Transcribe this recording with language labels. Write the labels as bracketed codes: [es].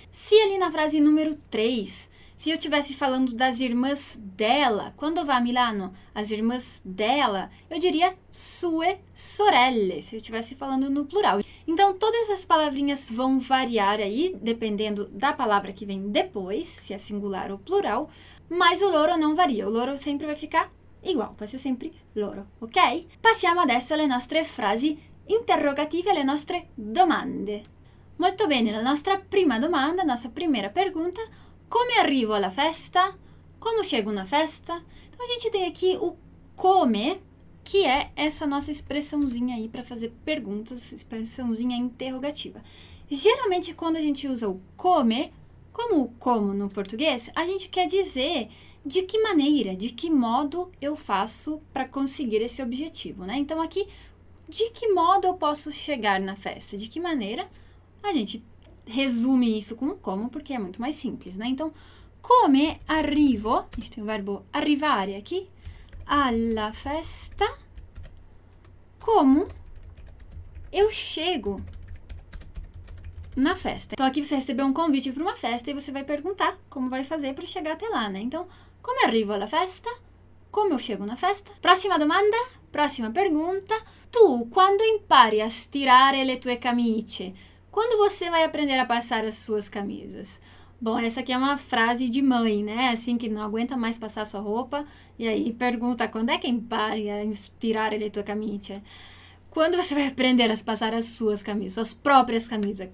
[pt] Se ali na frase número 3, se eu estivesse falando das irmãs dela, quando [it] va a Milano, [pt] as irmãs dela, eu diria [it] sue sorelle, [pt] se eu estivesse falando no plural. Então, todas as palavrinhas vão variar aí, dependendo da palavra que vem depois, se é singular ou plural, mas o loro não varia, o loro sempre vai ficar igual, vai ser sempre loro, ok? [it] Passiamo adesso alle nostre frasi interrogative, alle nostre domande. Molto bene, la nostra prima domanda, la nostra prima pergunta: come arrivo alla festa? [pt] Come chego na festa? Então, a gente tem aqui o come, que è essa nossa expressãozinha aí para fazer perguntas, expressãozinha interrogativa. Geralmente, quando a gente usa o come, como no português, a gente quer dizer de que maneira, de que modo eu faço para conseguir esse objetivo, né? Então, aqui, de que modo eu posso chegar na festa? De que maneira? A gente resume isso com como, porque é muito mais simples, né? Então, [it] come arrivo, [pt] a gente tem o verbo arrivare aqui, [it] alla festa, [pt] como eu chego na festa. Então, aqui você recebeu um convite para uma festa e você vai perguntar como vai fazer para chegar até lá, né? [it] Então, come arrivo alla festa? [pt] Come eu chego na festa? Próxima domanda, próxima pergunta. [it] Tu, quando impari a stirare le tue camicie? [pt] Quando você vai aprender a passar as suas camisas? Bom, essa aqui é uma frase de mãe, né? Assim, que não aguenta mais passar sua roupa. E aí pergunta: quando é que [it] impari a stirare le tue camicie? [pt] Quando você vai aprender a passar as suas camisas, suas próprias camisas?